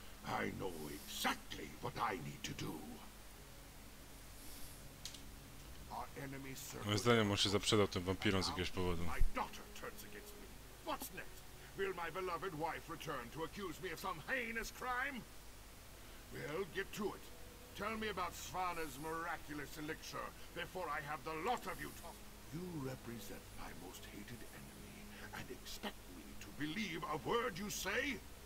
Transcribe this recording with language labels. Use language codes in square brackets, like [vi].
[en] I know exactly what I need to do. Our enemy circle. [pl] Moim zdaniem on się zaprzedał tym wampirom z jakiegoś powodu. [en] My daughter turns against me. What's next? Will my beloved wife return to accuse me of some heinous crime? Well, get to it. Tell me about Svana's miraculous elixir before I have the lot of you talk. You represent my most hated enemy, and expect me to believe a word you say?